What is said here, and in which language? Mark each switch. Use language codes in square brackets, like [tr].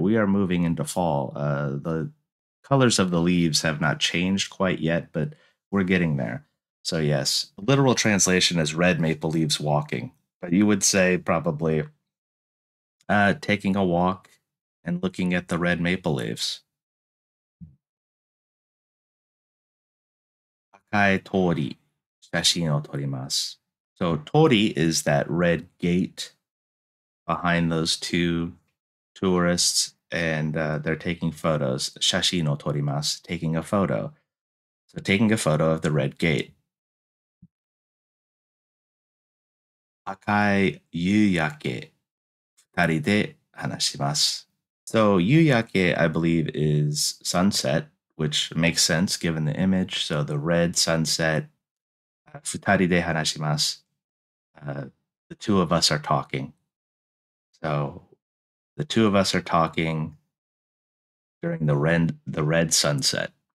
[en] We are moving into fall. The colors of the leaves have not changed quite yet, but we're getting there. So yes, literal translation is red maple leaves walking. But you would say probably taking a walk and looking at the red maple leaves. [ja] 赤い通り、写真を撮ります。 [en] So, 通り is that red gate behind those two tourists, and they're taking photos. [ja] 写真を撮ります、 [en] taking a photo. So, taking a photo of the red gate. [ja] 赤い夕焼け、二人で話します。 [en] So, 夕焼け, I believe, is sunset, which makes sense given the image. So, the red sunset, [ja] 二人で話します. [en] The two of us are talking. So, the two of us are talking during the red sunset.